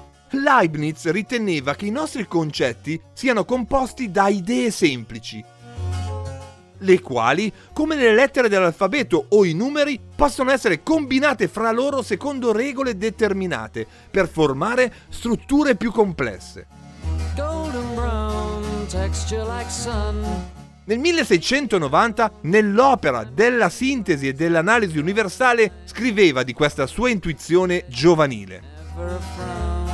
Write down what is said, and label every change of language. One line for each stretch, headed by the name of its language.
Italian: Leibniz riteneva che i nostri concetti siano composti da idee semplici, le quali, come le lettere dell'alfabeto o i numeri, possono essere combinate fra loro secondo regole determinate per formare strutture più complesse.
English: Golden brown, texture like sun.
Italian: Nel 1690, nell'opera della sintesi e dell'analisi universale, scriveva di questa sua intuizione giovanile.